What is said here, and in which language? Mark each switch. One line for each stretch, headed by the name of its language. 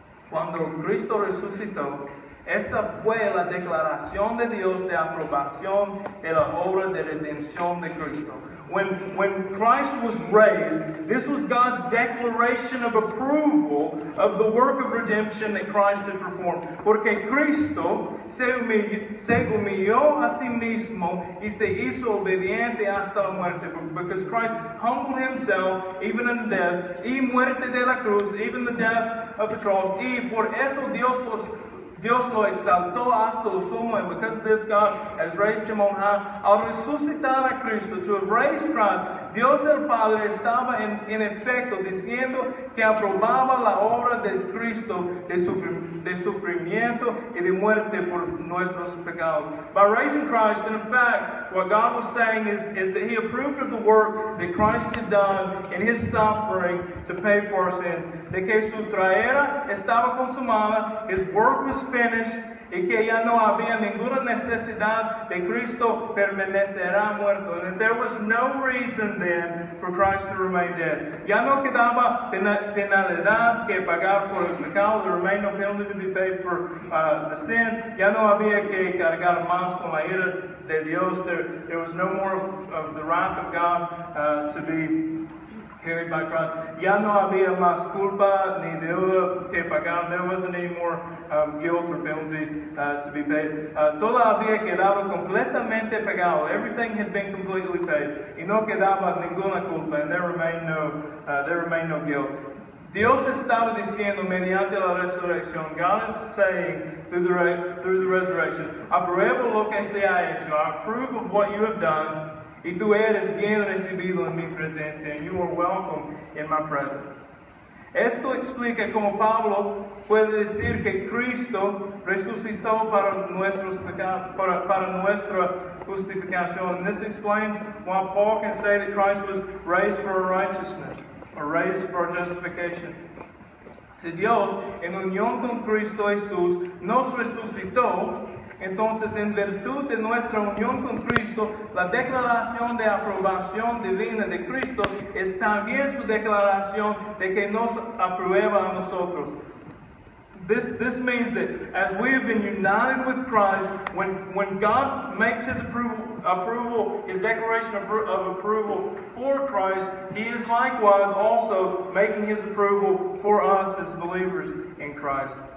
Spanish: Cuando Cristo resucitó, esa fue la declaración de Dios de aprobación de la obra de redención de Cristo.
English: When Christ was raised, this was God's declaration of approval of the work of redemption that Christ had performed.
Spanish: Porque Cristo se humilló a sí mismo y se hizo obediente hasta la muerte.
English: Because Christ humbled himself even in death,
Spanish: y muerte de la cruz,
English: even the death of the cross.
Spanish: Y por eso Dios lo exaltó hasta lo sumo,
English: and because of this, God has raised him on high.
Spanish: Al resucitar a Cristo,
English: to have raised Christ,
Spanish: Dios el Padre estaba en efecto diciendo que aprobaba la obra de Cristo de sufrimiento y de muerte por nuestros pecados.
English: By raising Christ, in effect, what God was saying is that he approved of the work that Christ had done in his suffering to pay for our sins.
Spanish: De que su traera estaba consumada,
English: his work was finished,
Spanish: y que ya no había ninguna necesidad de Cristo permanecerá muerto.
English: And there was no reason then for Christ to remain dead.
Spanish: Ya no quedaba penalidad que pagar por el pecado,
English: the remaining penalty to be paid for the sin.
Spanish: Ya no había que cargar más con la ira de Dios.
English: There was no more of the wrath of God to be carried by Christ.
Spanish: Ya no había más culpa ni deuda que pagar.
English: There wasn't any more guilt or penalty to be paid.
Spanish: Todo había quedado completamente pagado.
English: Everything had been completely paid.
Spanish: Y no quedaba ninguna culpa.
English: And there remained no guilt.
Spanish: Dios estaba diciendo mediante la resurrección.
English: God is saying through the resurrection,
Spanish: apruebo lo que se ha hecho.
English: I approve of what you have done.
Spanish: Y tú eres bien recibido en mi presencia,
English: and you are welcome in my presence.
Spanish: Esto explica cómo Pablo puede decir que Cristo resucitó para nuestra justificación.
English: And this explains why Paul can say that Christ was raised for our righteousness, or raised for our justification.
Spanish: Si Dios, en unión con Cristo Jesús, nos resucitó, entonces, en virtud de nuestra unión con Cristo, la declaración de aprobación divina de Cristo es también su declaración de que nos aprueba a nosotros.
English: This means that as we have been united with Christ, when God makes his approval, his declaration of approval for Christ, he is likewise also making his approval for us as believers in Christ.